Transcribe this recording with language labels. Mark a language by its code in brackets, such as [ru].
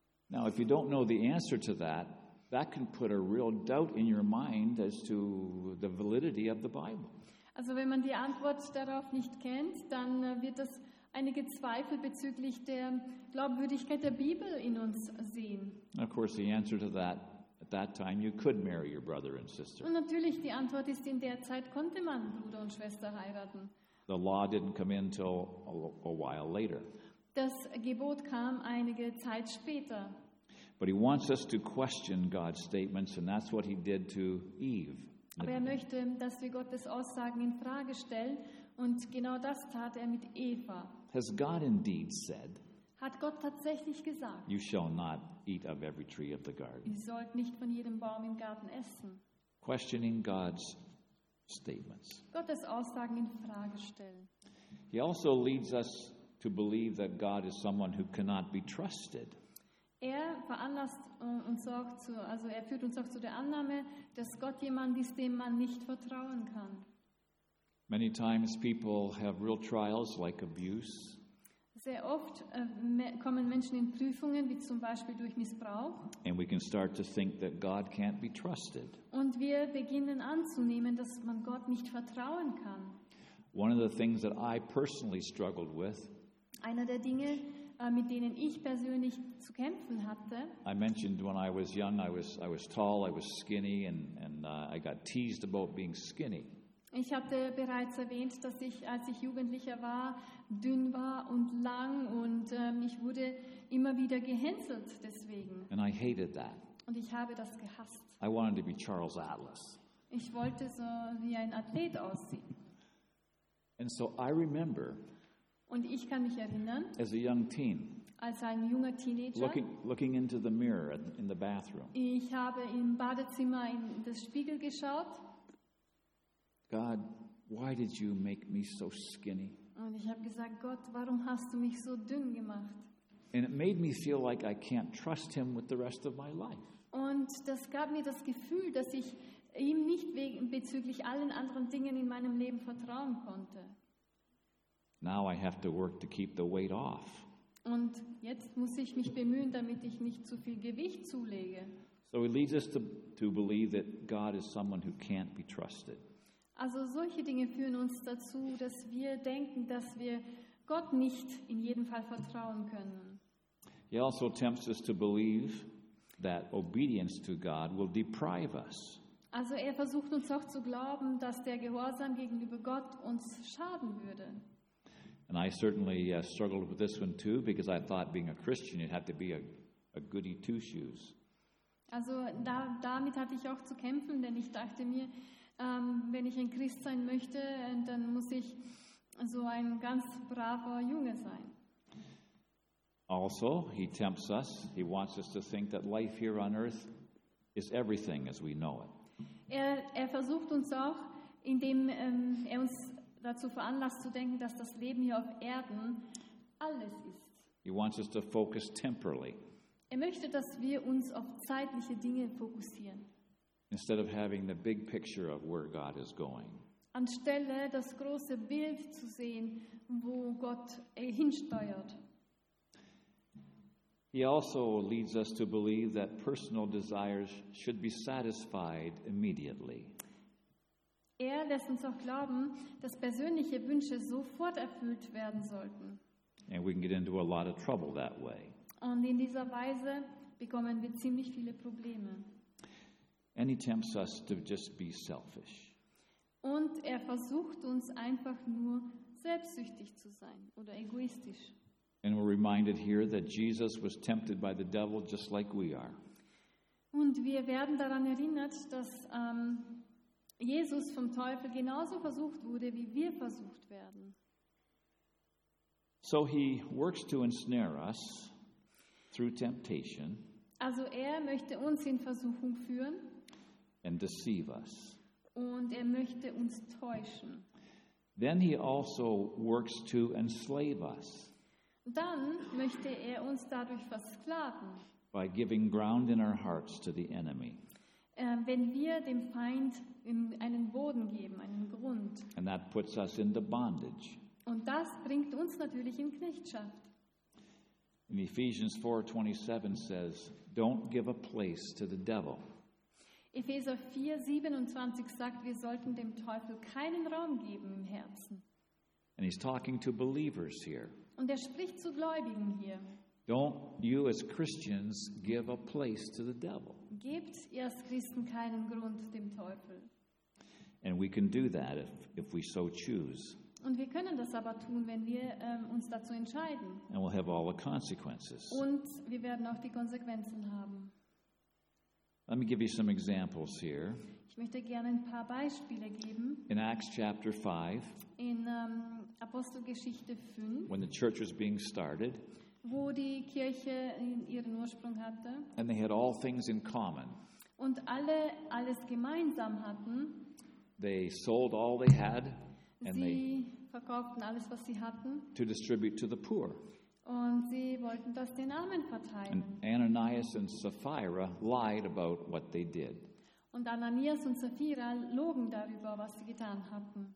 [en] Now, if you don't know the answer to that, that can put a real doubt in your mind as to the validity of the Bible. [de] Also wenn man die Antwort darauf nicht kennt, dann wird das einige Zweifel bezüglich der Glaubwürdigkeit der Bibel in uns sehen. [en] Of course, the answer to that, at that time, you could marry your brother and sister. [de] Und natürlich, die Antwort ist, in der Zeit konnte man Bruder und Schwester heiraten. [en] The law didn't come in till a while later. [de] Das Gebot kam einige Zeit später. [en] But he wants us to question God's statements, and that's what he did to Eve. [de] Aber er möchte, dass wir Gottes Aussagen in Frage stellen, und genau das tat er mit Eva. [en] Has God indeed said? [de] Hat Gott tatsächlich gesagt? [en] You shall not eat of every tree of the garden. [de] Ihr sollt nicht von jedem Baum im Garten essen. [en] Questioning God's statements. [de] Gottes Aussagen in Frage stellen. [en] He also leads us to believe that God is someone who cannot be trusted. [de] Er veranlasst uns auch zu, also er führt uns auch zu der Annahme, dass Gott jemand ist, dem man nicht vertrauen kann. [en] Many times people have real trials like abuse. [de] Sehr oft kommen Menschen in Prüfungen, wie zum Beispiel durch Missbrauch. [en] And we can start to think that God can't be trusted. [de] Und wir beginnen anzunehmen, dass man Gott nicht vertrauen kann. [en] One of the things that I personally struggled with. [de] Einer der Dinge, mit denen ich persönlich zu kämpfen hatte. [en] I mentioned when I was young, I was tall, I was skinny, and I got teased about being skinny. [de] Ich hatte bereits erwähnt, dass ich, als ich Jugendlicher war, dünn war und lang, und ich wurde immer wieder gehänselt deswegen. [en] And I hated that. [de] Und ich habe das gehasst. [en] I wanted to be Charles Atlas. [de] Ich wollte so wie ein Athlet aussehen. [en] And so I remember. [de] Und ich kann mich erinnern, [en] as a young teen, [de] als ein junger Teenager, [en] looking into the mirror in the bathroom. [de] Ich habe im Badezimmer in das Spiegel geschaut. [en] God, why did you make me so skinny? [de] Und ich habe gesagt, Gott, warum hast du mich so dünn gemacht? [en] And it made me feel like I can't trust him with the rest of my life. [de] Und das gab mir das Gefühl, dass ich ihm nicht bezüglich allen anderen Dingen in meinem Leben vertrauen konnte. [en] Now I have to work to keep the weight off. [de] Und jetzt muss ich mich bemühen, damit ich nicht zu viel Gewicht zulege. [en] So it leads us to believe that God is someone who can't be trusted. [de] Also solche Dinge führen uns dazu, dass wir denken, dass wir Gott nicht in jedem Fall vertrauen können. [en] He also tempts us to believe that obedience to God will deprive us. [de] Also er versucht uns auch zu glauben, dass der Gehorsam gegenüber Gott uns schaden würde. [en] And I certainly struggled with this one too, because I thought being a Christian, you'd have to be a goody two-shoes. [de] Also damit hatte ich auch zu kämpfen, denn ich dachte mir, wenn ich ein Christ sein möchte, dann muss ich so ein ganz braver Junge sein. [en] Also, he tempts us. He wants us to think that life here on earth is everything as we know it. [de] Er versucht uns auch, indem er uns dazu veranlasst zu denken, dass das Leben hier auf Erden alles ist. [en] He wants us to focus temporally. [de] Er möchte, dass wir uns auf zeitliche Dinge fokussieren. [en] Instead of having the big picture of where God is going. [de] Anstelle das große Bild zu sehen, wo Gott hinsteuert. [en] He also leads us to believe that personal desires should be satisfied immediately. [de] Er lässt uns auch glauben, dass persönliche Wünsche sofort erfüllt werden sollten. [en] And we can get into a lot of trouble that way. [de] Und in dieser Weise bekommen wir ziemlich viele Probleme. [en] And he tempts us to just be selfish. [de] Und er versucht uns einfach nur selbstsüchtig zu sein oder egoistisch. [en] And we're reminded here that Jesus was tempted by the devil just like we are. [de] Und wir werden daran erinnert, dass Jesus vom Teufel genauso versucht wurde, wie wir versucht werden. [en] So he works to ensnare us through temptation. [de] Also er möchte uns in Versuchung führen. [en] And deceive us. [de] Und er möchte uns täuschen. [en] Then he also works to enslave us. [de] Dann möchte er uns dadurch versklaven. [en] By giving ground in our hearts to the enemy. [de] Wenn wir dem Feind einen Boden geben, einen Grund. [en] And that puts us into bondage. [de] Und das bringt uns natürlich in Knechtschaft. [en] In Ephesians 4:27 says, don't give a place to the devil. [de] Epheser 4:27 sagt, wir sollten dem Teufel keinen Raum geben im Herzen. [en] And he's talking to believers here. [de] Und er spricht zu Gläubigen hier. [en] Don't you as Christians give a place to the devil. [de] Gebt ihr als Christen keinen Grund dem Teufel. [en] And we can do that if we so choose. [de] Und wir können das aber tun, wenn wir uns dazu entscheiden. [en] And we'll have all the consequences. [de] Und wir werden auch die Konsequenzen haben. [en] Let me give you some examples here. [de] Ich möchte gerne ein paar Beispiele geben. [en] In Acts chapter 5. [de] In Apostelgeschichte 5. [en] When the church was being started. [de] Wo die Kirche ihren Ursprung hatte. [en] And they had all things in common. [de] Und alle alles gemeinsam hatten. [en] They sold all they had. [de] And sie verkauften alles, was sie hatten. [en] To distribute to the poor. [de] Und sie wollten das den Armen verteilen. [en] And Ananias and Sapphira lied about what they did. [de] Und Ananias und Sapphira logen darüber, was sie getan hatten.